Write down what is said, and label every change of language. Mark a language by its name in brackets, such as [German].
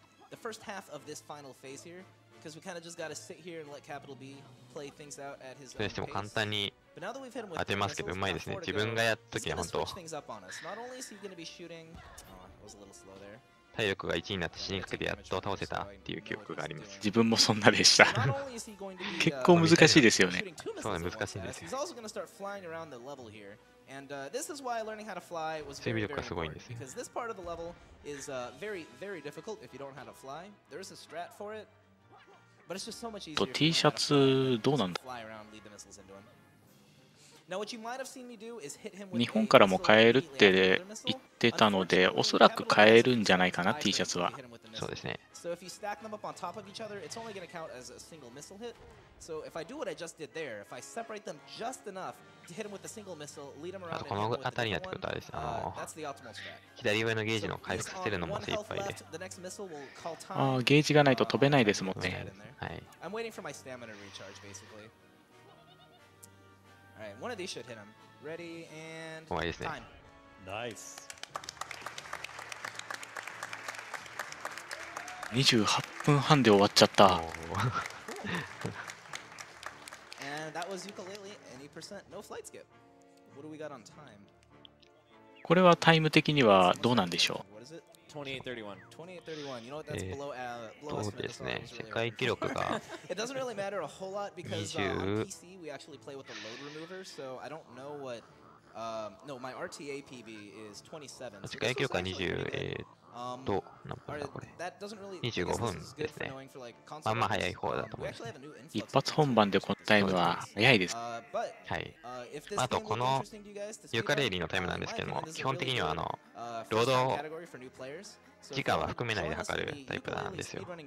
[English] The first half of this final phase here, because we kind of just got to sit here and let Capital B play things out at his own pace. But now that we've hit him with the missiles, it's not hard to go. He's going to switch things up on us. Not only is he going to be shooting... Oh, I was a little slow there. [Japanese] 体力が1位になって死にかけてやっと倒せたっていう記憶があります。自分もそんなでした。結構難しいですよね。そうね、難しいです。 [English] He's also going to start flying around the level here. And this is why learning how to fly was very, very important. Because this part of the level is very, very difficult if you don't know how to fly. There is a strat for it, but it's just so much easier. Fly around, lead the missiles into him. Now, what you might have seen me do is hit him with a [Japanese] missile. 日本からも買えるって言ってたので、おそらく買えるんじゃないかな、T シャツは。そうですね。 [English] So if you stack them up on top of each other, it's only going to count as a single missile hit. So if I do what I just did there, if I separate them just enough to hit them with a single missile, lead them around and hit them with another one, that's the optimal strat. [Japanese] 左上のゲージの回復させるのも精一杯で。 [English] The next missile will call time. [Japanese] ああ、ゲージがないと飛べないですもんね。はい。 [English] I'm waiting for my stamina to recharge, basically. All right, one of these should hit him. Ready and time. Nice. [Japanese] 28分半で終わっちゃった。 [English] And that was ukulele, any percent, no flight skip. What do we got on time? [Japanese] これはタイム的にはどうなんでしょう [English] ?2831.2831, you know what that's below average. [Japanese] どうですね、世界記録が。 [English] It doesn't really matter a whole lot because on PC we actually play with a load remover, so I don't know what. No, my RTA PB is 27. [Japanese] 世界記録は28。どう何分だこれ25分ですね。まあまあ早い方だと思います。一発本番でこのタイムは早いです。はい。あとこのユカレイリーのタイムなんですけども、基本的にはロード時間は含めないで測るタイプなんですよ。